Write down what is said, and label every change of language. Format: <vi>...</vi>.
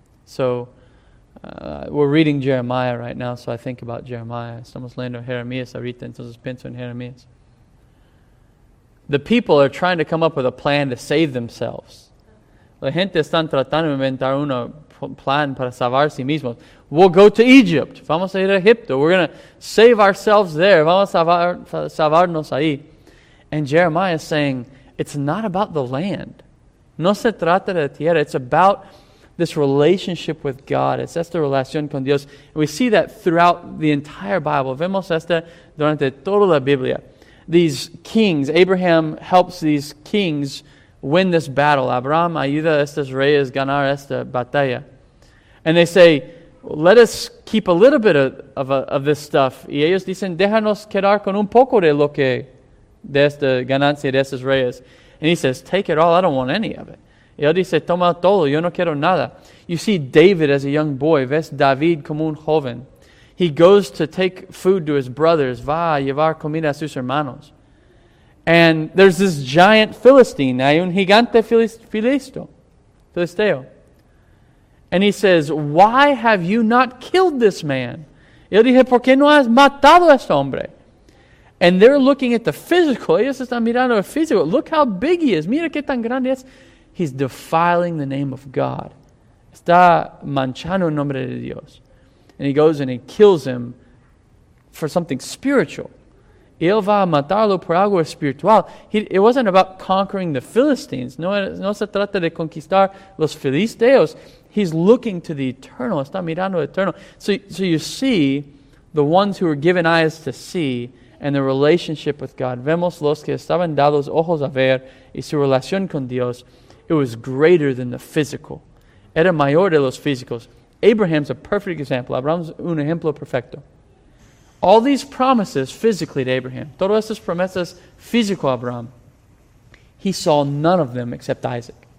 <en>So, we're reading Jeremiah right now, so I think about Jeremiah.</en> <es>Estamos leyendo Jeremías ahorita, entonces pienso en Jeremías.</es> <en>The people are trying to come up with a plan to save themselves.</en> <es>La gente está tratando de inventar un plan para salvar a sí mismos.</es> <en>We'll go to Egypt.</en> <es>Vamos a ir a Egipto.</es> <en>We're going to save ourselves there.</en> <es>Vamos a salvarnos ahí.</es> <en>And Jeremiah is saying, it's not about the land.</en> <es>No se trata de la tierra.</es> <en>It's about this relationship with God.</en> <es>Es esta relación con Dios.</es> <en>We see that throughout the entire Bible.</en> <es>Vemos esta durante toda la Biblia.</es> <en>These kings, Abraham helps these kings win this battle.</en> <es>Abraham ayuda a estos reyes ganar esta batalla.</es> <en>And they say, let us keep a little bit of this stuff.</en> <es>Y ellos dicen, déjanos quedar con un poco de lo que, de esta ganancia de estos reyes.</es> <en>And he says, take it all, I don't want any of it.</en> <es>Y él dice, toma todo, yo no quiero nada.</es> <en>You see David as a young boy,</en> <es>ves David como un joven.</es> <en>He goes to take food to his brothers,</en> <es>va a llevar comida a sus hermanos.</es> <en>And there's this giant Philistine,</en> <es>hay un gigante filisteo.</es> <en>And he says, why have you not killed this man?</en> <es>Yo dije, ¿por qué no has matado a este hombre?</es> <en>And they're looking at the physical.</en> <es>Ellos están mirando el físico.</es> <en>Look how big he is.</en> <es>Mira qué tan grande es.</es> <en>He's defiling the name of God.</en> <es>Está manchando el nombre de Dios.</es> <en>And he goes and he kills him for something spiritual.</en> <es>Él va a matarlo por algo espiritual.</es> <en>It wasn't about conquering the Philistines.</en> <es>No se trata de conquistar los filisteos.</es> <en>He's looking to the eternal.</en> <es>Está mirando el eterno.</es> <en>So you see the ones who were given eyes to see and the relationship with God.</en> <es>Vemos los que estaban dados ojos a ver y su relación con Dios.</es> <en>It was greater than the physical.</en> <es>Era mayor de los físicos.</es> <en>Abraham's a perfect example. Abraham's</en> <es>un ejemplo perfecto.</es> <en>All these promises physically to Abraham.</en> <es>Todas estas promesas físico a Abraham.</es> <en>He saw none of them except Isaac.</en>